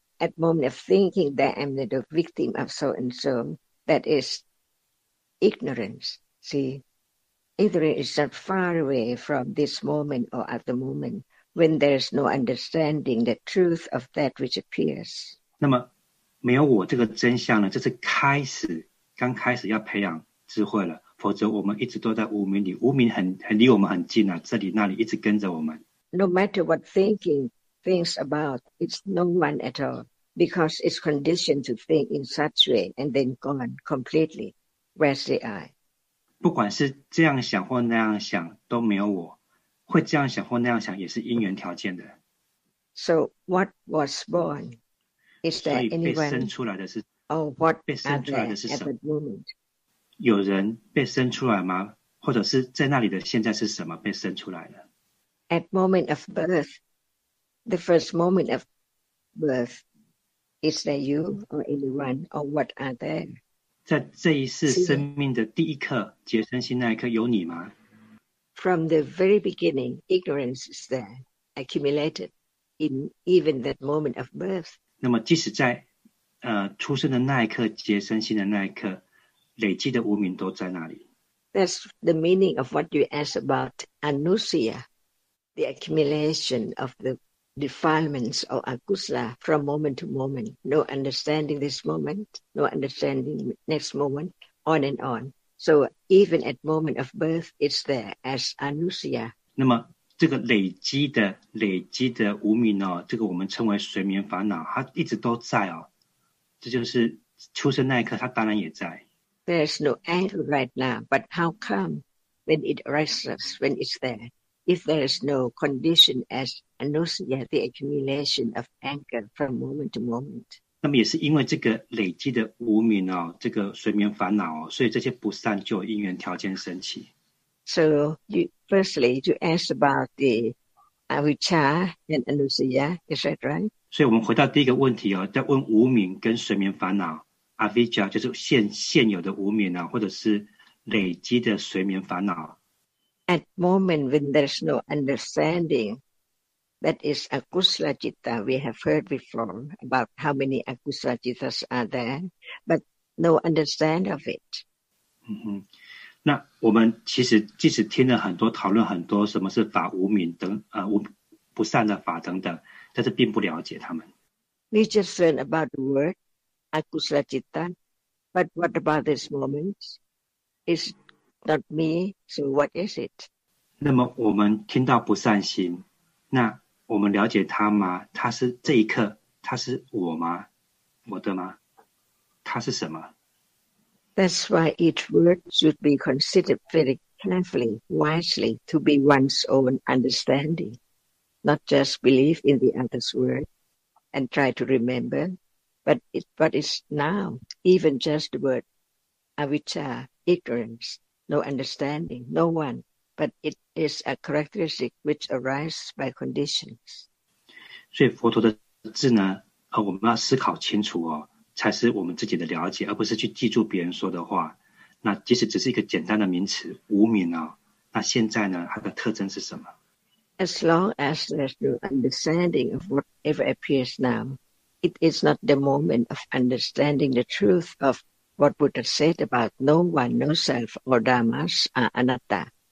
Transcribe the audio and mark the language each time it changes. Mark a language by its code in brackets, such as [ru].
[en] At moment of thinking that I'm the victim of so-and-so, that is ignorance, see? Either it is not far away from this moment or at the moment when there is no understanding the truth of that which appears. [zh] 那么没有我这个真相呢，这是开始，刚开始要培养智慧了，否则我们一直都在无明里，无明很离我们很近啊，这里那里一直跟着我们。 [en] No matter what thinking thinks about, it's no one at all, because it's conditioned to think in such way and then gone completely. Where's the I? [zh] 不管是这样想或那样想都没有我，会这样想或那样想也是因缘条件的。 [en] So what was born? Is there anyone? [zh] 所以被生出来的是 [en] Oh, what [zh] 被生出来的是什么 [en] at that moment? [zh] 有人被生出来吗？或者是在那里的现在是什么被生出来的？ [en] At moment of birth, the first moment of birth, is there you or anyone or what are there? [zh] 在这一世生命的第一刻，结身心那一刻，有你吗 [en] ？From the very beginning, ignorance is there, accumulated in even that moment of birth. [zh] 那么，即使在出生的那一刻，结身心的那一刻，累积的无明都在那里。 [en] That's the meaning of what you asked about anusya, the accumulation of the defilements or akusala from moment to moment. No understanding this moment, no understanding next moment, on and on. So even at moment of birth, it's there as anusya. [zh] 那么这个累积的无明哦，这个我们称为睡眠烦恼，它一直都在哦。这就是出生那一刻，它当然也在。 [en] There's no anger right now, but how come when it arises, when it's there? if there is no condition as anusaya, the accumulation of anger from moment to moment. [zh] 那么也是因为这个累积的无明哦，这个睡眠烦恼哦，所以这些不善就有因缘条件升起。 [en] So you, firstly, you asked about the avicca and anusaya, is that right? [zh] 所以我们回到第一个问题哦，在问无明跟睡眠烦恼。 Avicca 就是 现有的无明啊，或者是累积的睡眠烦恼。 [en] At moment when there's no understanding, that is akusala citta. We have heard before about how many akusala cittas are there, but no understand of it. 嗯哼，那我们其实即使听了很多讨论，很多什么是法无明等不善的法等等，但是并不了解他们。 We just learn about the word. Akusala citta, but what about this moment? It's not me, so what is it? [zh] 那么我们听到不善心，那我们了解它吗？它是这一刻，它是我吗？我的吗？它是什么？ [en] That's why each word should be considered very carefully, wisely, to be one's own understanding, not just believe in the other's word and try to remember. But it's now, even just the word avicca, ignorance, no understanding, no one, but it is a characteristic which arises by conditions. [zh] 所以佛陀的字呢，我们要思考清楚哦，才是我们自己的了解，而不是去记住别人说的话。那即使只是一个简单的名词，无明哦，那现在呢，它的特征是什么？ [en] As long as there's no understanding of whatever appears now,It is not the moment of understanding the truth of what Buddha said about no one, no self, or dhammas are anatta.